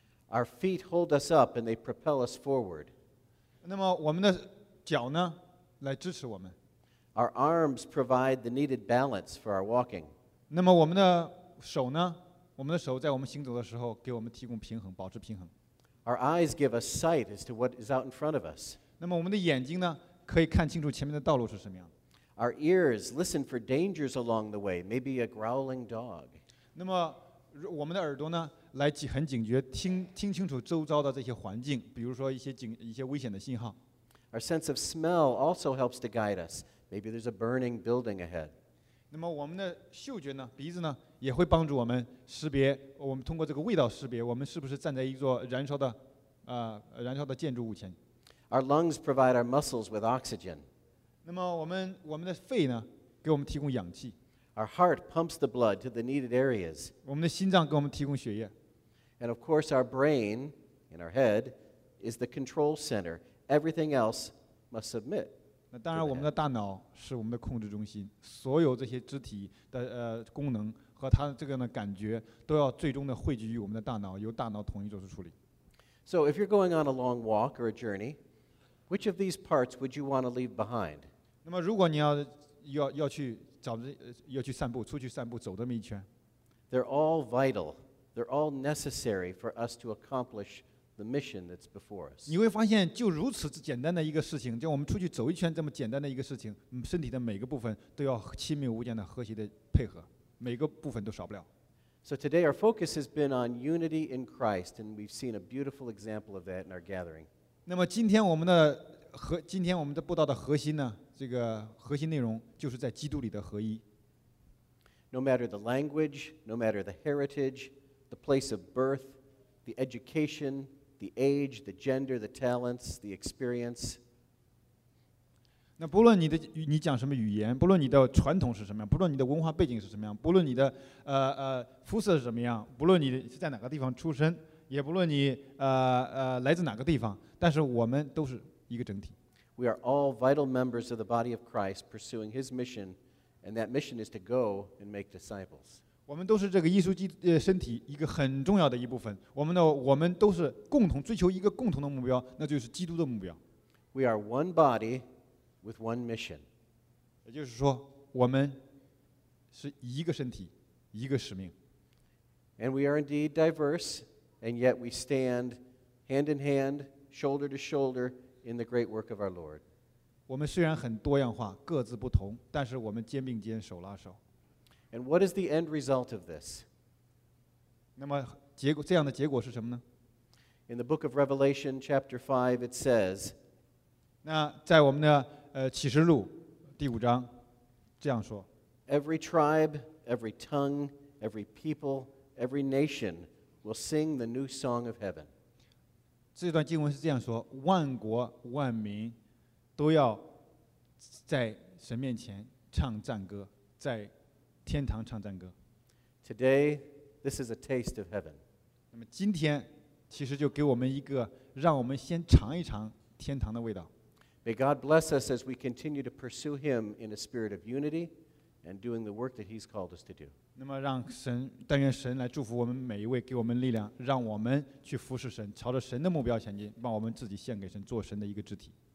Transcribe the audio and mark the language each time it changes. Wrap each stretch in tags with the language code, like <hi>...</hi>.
<en>Our feet hold us up and they propel us forward.</en> <zh>那么我们的脚呢，来支持我们。</zh> <en>Our arms provide the needed balance for our walking.</en> <zh>那么我们的手呢，我们的手在我们行走的时候给我们提供平衡，保持平衡。</zh> <en>Our eyes give us sight as to what is out in front of us.</en> <zh>那么我们的眼睛呢，可以看清楚前面的道路是什么样。</zh> <en>Our ears listen for dangers along the way, maybe a growling dog.</en> <zh>那么我们的耳朵呢，来很警觉，听清楚周遭的这些环境，比如说一些危险的信号。</zh> <en>Our sense of smell also helps to guide us. Maybe there's a burning building ahead.</en> <zh>那么我们的嗅觉呢，鼻子呢，也会帮助我们识别，我们通过这个味道识别，我们是不是站在一座燃烧的建筑物前。</zh> <en>Our lungs provide our muscles with oxygen.</en> <zh>那么我们的肺呢，给我们提供氧气。</zh> <en>Our heart pumps the blood to the needed areas.</en> <zh>我们的心脏给我们提供血液。</zh> <en>And of course, our brain in our head is the control center. Everything else must submit.</en> <zh>那当然，我们的大脑是我们的控制中心，所有这些肢体的功能和它这个呢感觉，都要最终的汇聚于我们的大脑，由大脑统一做出处理。</zh> <en>So if you're going on a long walk or a journey. Which of these parts would you want to leave behind?</en> <zh>那么如果你要去散步，出去散步，走这么一圈。</zh> <en>They're all vital. They're all necessary for us to accomplish the mission that's before us.</en> <zh>你会发现，就如此简单的一个事情，就我们出去走一圈这么简单的一个事情，身体的每个部分都要亲密无间的和谐的配合，每个部分都少不了。</zh> <en>So today our focus has been on unity in Christ, and we've seen a beautiful example of that in our gathering.</en> <zh>那么今天我们的布道的核心呢，这个核心内容就是在基督里的合一。</zh> <en>No matter the language, no matter the heritage, the place of birth, the education, the age, the gender, the talents, the experience.</en> <zh>那不论你的你讲什么语言，不论你的传统是什么样，不论你的文化背景是什么样，不论你的肤色是什么样，不论你是在哪个地方出生，也不论你来自哪个地方，但是我们都是一个整体。</zh> <en>We are all vital members of the body of Christ pursuing His mission, and that mission is to go and make disciples.</en> <zh>我们都是这个耶稣基督身体一个很重要的一部分。我们都是共同追求一个共同的目标，那就是基督的目标。</zh> <en>We are one body. With one mission.</en> <zh>也就是说，我们是一个身体，一个使命。</zh> <en>And we are indeed diverse, and yet we stand hand in hand, shoulder to shoulder in the great work of our Lord.</en> <zh>我们虽然很多样化，各自不同，但是我们肩并肩，手拉手。</zh> <en>And what is the end result of this?</en> <zh>那么结果，这样的结果是什么呢？</zh> <en>In the book of Revelation, chapter 5, it says,</en> <zh>那在我们的启示录第五章这样说</zh> <en>Every tribe, every tongue, every people, every nation will sing the new song of heaven.</en> <zh>这段经文是这样说万国万民都要在神面前唱赞歌在天堂唱赞歌</zh> <en>Today, this is a taste of heaven.</en> <zh>那么今天其实就给我们一个让我们先尝一尝天堂的味道</zh> <en>May God bless us as we continue to pursue Him in a spirit of unity and doing the work that He's called us to do.</en> <zh>那么让神，但愿神来祝福我们每一位，给我们力量，让我们去服侍神，朝着神的目标前进，把我们自己献给神，做神的一个肢体。</zh>